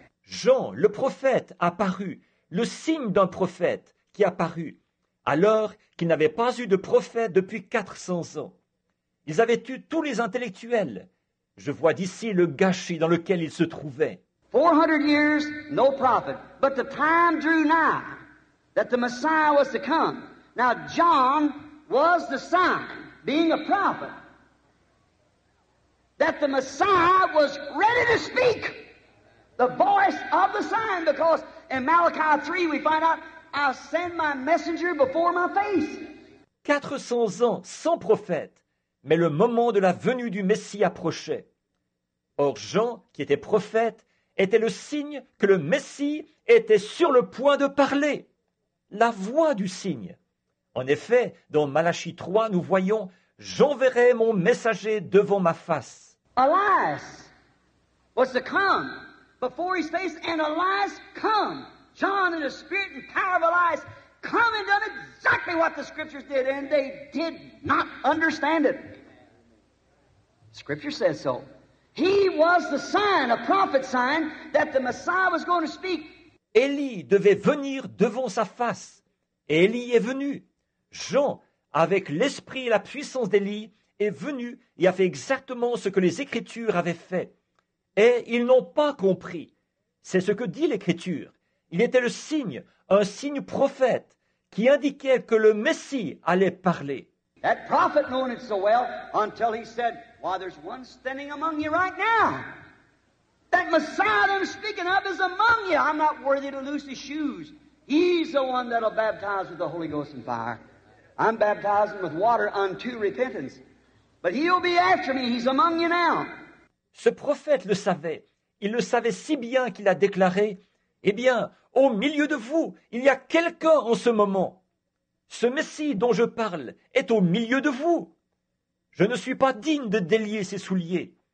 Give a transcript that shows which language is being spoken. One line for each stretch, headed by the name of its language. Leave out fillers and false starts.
French: Jean, le prophète, apparut, le signe d'un prophète qui apparut alors qu'ils n'avaient pas eu de prophète depuis 400 ans. Ils avaient eu tous les intellectuels. Je vois d'ici le gâchis dans lequel ils se trouvaient.
English: 400 years, no prophet, but the time drew nigh that the Messiah was to come. Now John was the sign, being a prophet, that the Messiah was ready to speak the voice of the sign, because in Malachi 3 we find out, I send my messenger before my face.
French: 400 ans sans prophète, mais le moment de la venue du Messie approchait. Or Jean, qui était prophète, était le signe que le Messie était sur le point de parler, la voix du signe. En effet, dans Malachi 3, nous voyons « J'enverrai mon messager devant ma face ».
English: Elias was to come before his face, and Elias come. John in the spirit and power of Elias come and done exactly what the scriptures did, and they did not understand it. Scripture says so. He was the sign, a prophet sign, that the Messiah was going to speak.
French: Élie devait venir devant sa face. Et Élie est venu. Jean, avec l'esprit et la puissance d'Élie, est venu et a fait exactement ce que les Écritures avaient fait. Et ils n'ont pas compris. C'est ce que dit l'Écriture. Il était le signe, un signe prophète, qui indiquait que le Messie allait parler.
English: That prophet known it so well until he said, why, there's one standing among you right now. That Messiah that I'm speaking of is among you. I'm not worthy to loose his shoes. He's the one that'll baptize with the Holy Ghost and fire. I'm baptizing with water unto repentance. But he'll be after me. He's among you now.
French: Ce prophète le savait. Il le savait si bien qu'il a déclaré, eh bien, au milieu de vous, il y a quelqu'un en ce moment. Ce Messie dont je parle est au milieu de vous. Je ne suis pas digne de délier ses souliers.